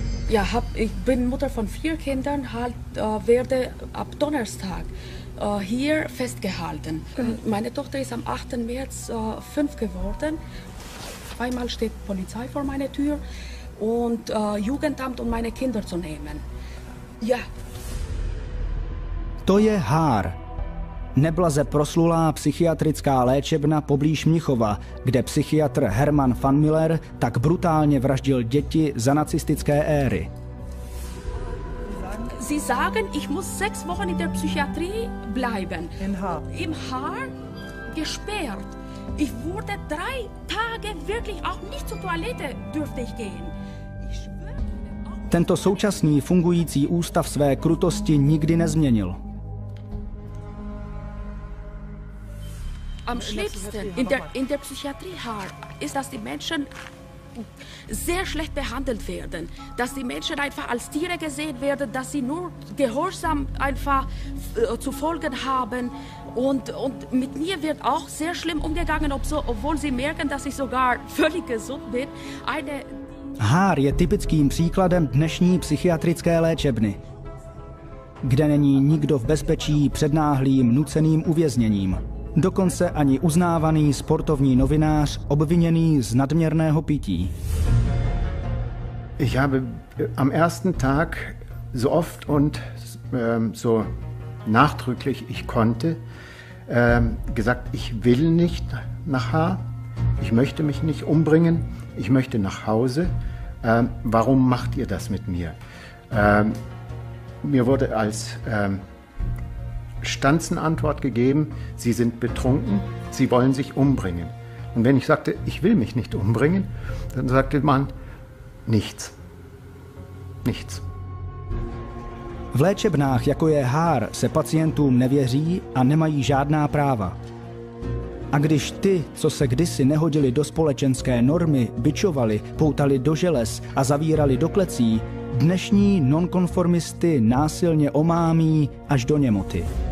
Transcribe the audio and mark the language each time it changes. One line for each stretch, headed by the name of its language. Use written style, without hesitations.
German: Ja, ich bin Mutter von 4 Kindern, werde ab Donnerstag hier festgehalten. Meine Tochter ist am 8. März 5 geworden. Zweimal steht Polizei vor meiner Tür und Jugendamt, um meine Kinder zu nehmen. Ja.
Czech: To je Haar. Neblaze proslulá psychiatrická léčebna poblíž Mnichova, kde psychiatr Hermann van Miller tak brutálně vraždil děti za nacistické éry.
German: Sie sagen, ich muss 6 Wochen in der Psychiatrie bleiben. In Haar. Im Haar gesperrt. Ich wurde 3 Tage wirklich auch nicht zur Toilette durfte ich gehen.
Czech: Tento současný fungující ústav své krutosti nikdy nezměnil.
German: Am schlimmsten in der Psychiatrie Haar ist, dass die Menschen sehr schlecht behandelt werden, dass die Menschen einfach als Tiere gesehen werden, dass sie nur gehorsam einfach zu folgen haben und mit mir wird auch sehr schlimm umgegangen, obwohl sie merken, dass ich sogar völlig gesund bin.
Czech: Haar je typickým příkladem dnešní psychiatrické léčebny, kde není nikdo v bezpečí před náhlým nuceným uvězněním. Dokonce ani uznávaný sportovní novinář obviněný z nadměrného pití.
German: Ich habe am ersten Tag so oft und so nachdrücklich ich konnte gesagt, ich will nicht nach Haar. Ich möchte mich nicht umbringen. Ich möchte nach Hause. Warum macht ihr das mit mir? Mir wurde als Stanzenantwort gegeben, sie sind betrunken, sie wollen sich umbringen. Und wenn ich sagte, ich will mich nicht umbringen, dann sagte man nichts. Nichts.
Czech: V léčebnách, jako je Haar, se pacientům nevěří a nemají žádná práva. A když ty, co se kdysi nehodili do společenské normy, bičovali, poutali do želez a zavírali do klecí, dnešní nonkonformisty násilně omámí až do němoty.